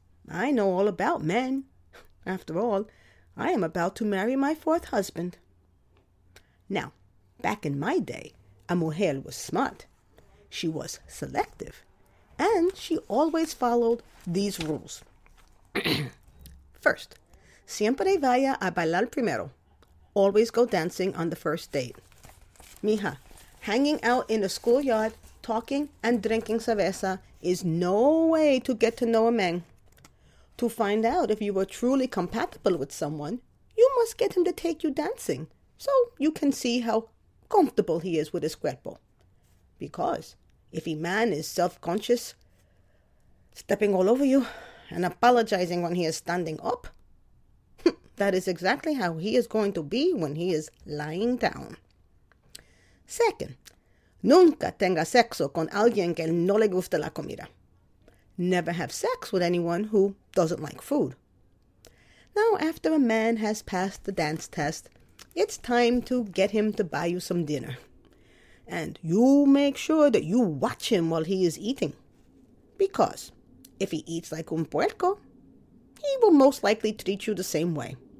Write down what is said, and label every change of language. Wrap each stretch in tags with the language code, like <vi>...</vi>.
<en>I know all about men. After all, I am about to marry my fourth husband. Now, back in my day, a mujer was smart. She was selective. And she always followed these rules.</en> <es>First, siempre vaya a bailar primero.</es> <en>Always go dancing on the first date. Mija, hanging out in a schoolyard, talking and drinking cerveza is no way to get to know a man. To find out if you are truly compatible with someone, you must get him to take you dancing so you can see how comfortable he is with his cuerpo. Because if a man is self-conscious, stepping all over you and apologizing when he is standing up, that is exactly how he is going to be when he is lying down.</en> <es>Second, nunca tenga sexo con alguien que no le gusta la comida.</es> <en>Never have sex with anyone who doesn't like food. Now, after a man has passed the dance test, it's time to get him to buy you some dinner. And you make sure that you watch him while he is eating. Because if he eats like</en> <es>un puerco,</es> <en>he will most likely treat you the same way.</en>